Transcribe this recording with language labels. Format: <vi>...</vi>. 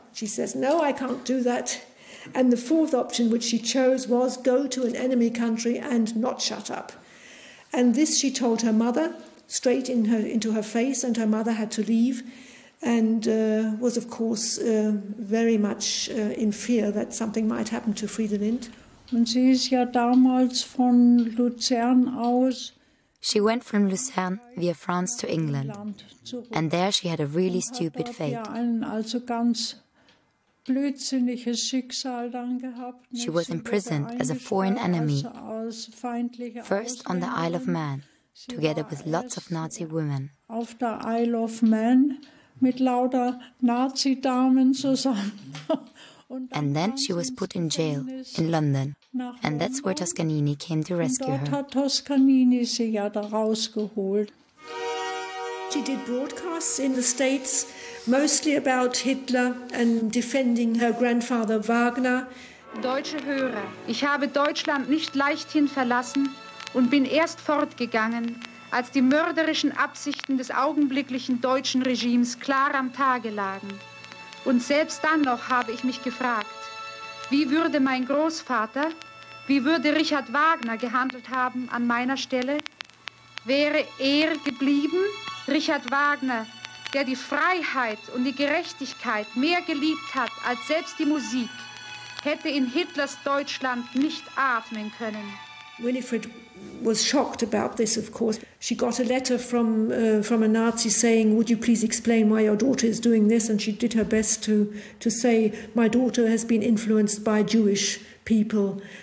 <en>She says, no, I can't do that. And the fourth option, which she chose, was go to an enemy country and not shut up. And this she told her mother straight into her face, and her mother had to leave and was, of course, very much in fear that something might happen to Fridolin.</en> <de>Und sie ist ja damals von Luzern aus.</de> <en>She went from Luzern via France to England, and there she had a really stupid fate. She was imprisoned as a foreign enemy, first on the Isle of Man, together with lots of Nazi women.</en> <de>Auf der Isle of Man mit lauter Nazi-Damen zusammen</de> <en>And then she was put in jail in London. And that's where Toscanini came to rescue her. She did broadcasts in the States, mostly about Hitler and defending her grandfather Wagner.</en> <de>Deutsche Hörer, ich habe Deutschland nicht leichthin verlassen und bin erst fortgegangen, als die mörderischen Absichten des augenblicklichen deutschen Regimes klar am Tage lagen. Und selbst dann noch habe ich mich gefragt, wie würde mein Großvater, wie würde Richard Wagner gehandelt haben an meiner Stelle? Wäre er geblieben, Richard Wagner, der die Freiheit und die Gerechtigkeit mehr geliebt hat als selbst die Musik, hätte in Hitlers Deutschland nicht atmen können.</de> <en>Winifred was shocked about this, of course. She got a letter from a Nazi saying, would you please explain why your daughter is doing this? And she did her best to say, my daughter has been influenced by Jewish people.</en>